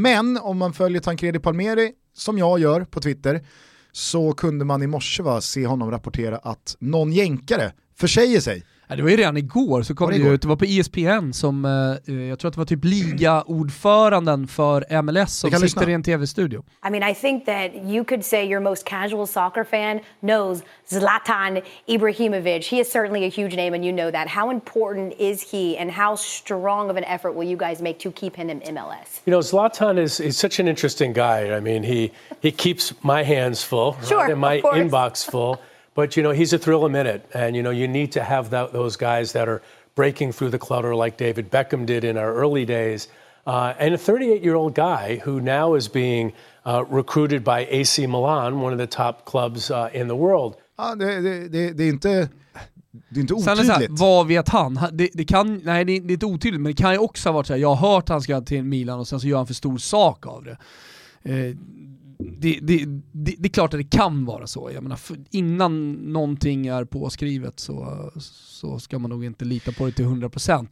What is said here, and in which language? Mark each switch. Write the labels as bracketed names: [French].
[Swedish] Men om man följer Tancredi Palmeri, som jag gör på Twitter, så kunde man i morse se honom rapportera att någon jänkare försäger sig. Det var ju redan igår så kom det ut, det var på ESPN som, jag tror att det var typ ligaordföranden för MLS som sitter i en tv-studio. [English] I mean, I think that you could say your most casual soccer fan knows Zlatan Ibrahimovic. He is certainly a huge name and you know that. How important is he and how strong of an effort will you guys make to keep him in MLS? You know, Zlatan is such an interesting guy. I mean, he keeps my hands full, sure, right? And my inbox full. But, you know, he's a thrill a minute. And, you know, you need to have that, those guys that are breaking through the clutter like David Beckham did in our early days. And a 38-year-old guy who now is being recruited by AC Milan, one of the top clubs in the world. [Swedish] Det är inte otydligt. Sen är det så här, vad vet han? Det är inte otydligt, men det kan ju också ha varit så här. Jag har hört han ska till Milan och sen så gör han för stor sak av det. Det är klart att det kan vara så. Jag menar, innan någonting är påskrivet så ska man nog inte lita på det till 100%.